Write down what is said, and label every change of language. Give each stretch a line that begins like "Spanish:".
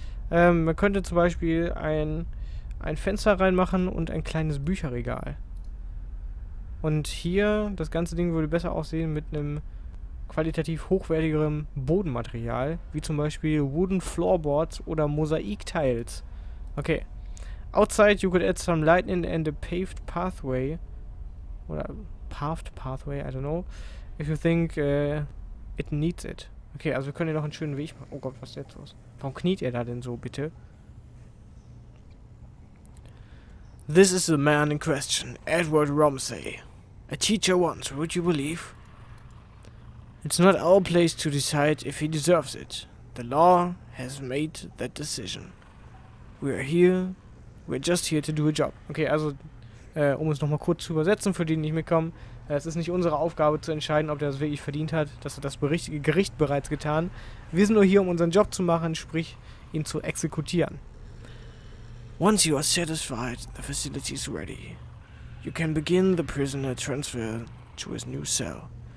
German: Man könnte zum Beispiel ein Fenster reinmachen und ein kleines Bücherregal. Und hier, das ganze Ding würde besser aussehen mit einem qualitativ hochwertigeren Bodenmaterial, wie zum Beispiel Wooden Floorboards oder Mosaik Tiles. Okay.
English: Outside you could add some lightning and a paved pathway. Oder paved pathway, I don't know. If you think it needs it.
German: Okay, also wir können hier noch einen schönen Weg machen. Oh Gott, was ist jetzt los? Warum kniet ihr da denn so, bitte?
English: This is the man in question, Edward Romsey. A teacher once, would you believe? It's not our place to decide if he deserves it. The law has made that decision. We're just here to do a job.
German: Okay, also, um es nochmal kurz zu übersetzen, für die, die nicht mitkommen. Es ist nicht unsere Aufgabe zu entscheiden, ob der das wirklich verdient hat. Das hat das Gericht bereits getan. Wir sind nur hier, um unseren Job zu machen, sprich, ihn zu exekutieren.
English: Once you are satisfied, the facility is ready. You can begin the prisoner transfer to his new cell.